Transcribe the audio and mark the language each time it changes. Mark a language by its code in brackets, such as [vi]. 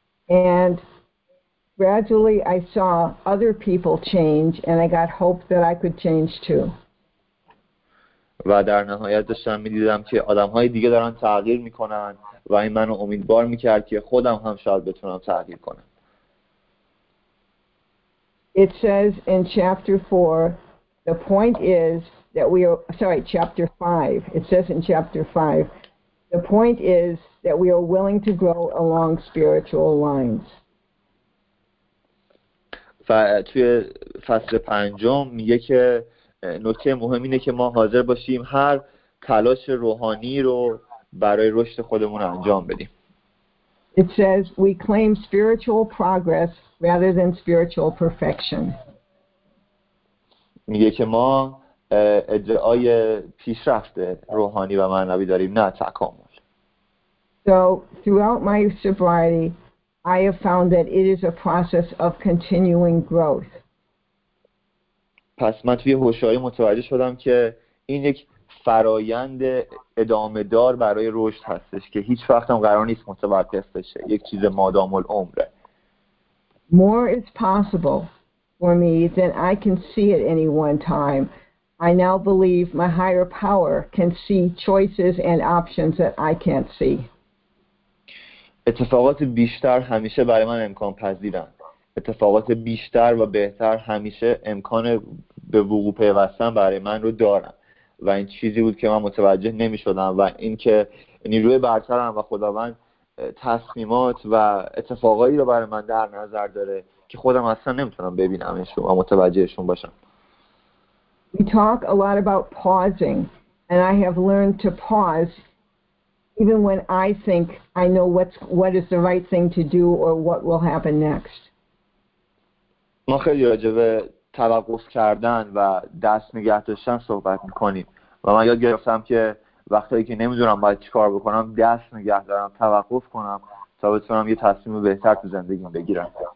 [en] And gradually I saw other people change and I got hope that I could change too. [fa] و در نهایت داشتم می‌دیدم که آدم‌های دیگه دارن تغییر می‌کنن و این منو امیدوار می‌کرد که خودم هم شاید بتونم تغییر کنم. [en] It says in chapter 4, the point is that we are, sorry, chapter 5. It says in chapter 5, the point is that we are willing to grow along spiritual lines. [fa] توی فصل پنجم میگه که نکته مهم اینه که ما حاضر باشیم هر تلاش روحانی رو برای رشد خودمون انجام بدیم. [en] It says we claim spiritual progress rather than spiritual perfection. [fa] میگه که ما ادعای پیشرفت روحانی و معنوی داریم نه تکامل. [en] So throughout my sobriety I have found that it is a process of continuing growth. [fa] پس من توی هوشیاری متوجه شدم که این یک فرایند ادامه دار برای رشد هستش که هیچ وقت هم قرار نیست متوقف بشه، یک چیز مادام العمره. [en] More is possible for me than I can see at any one time. I now believe my higher power can see choices and options that I can't see. [fa] اتفاقات بیشتر همیشه برای من امکان پذیرند. اتفاقات بیشتر و بهتر همیشه امکان به وقوع پیوستن برای من رو دارن و این چیزی بود که من متوجه نمی شدم و این که نیروی برترم و خداوند تصمیمات و اتفاقایی رو برای من در نظر داره که خودم اصلا نمیتونم ببینمشون و متوجهشون باشم. [en] We talk a lot about pausing and I have learned to pause even when I think I know what is the right thing to do or what will happen next. [fa] ما خیلی راجع به توقف کردن و دست نگه داشتن صحبت میکنیم و من یاد گرفتم که وقتی که نمیدونم باید چی کار بکنم دست نگه دارم، توقف کنم تا بتونم یه تصمیم بهتر تو زندگیم بگیرم.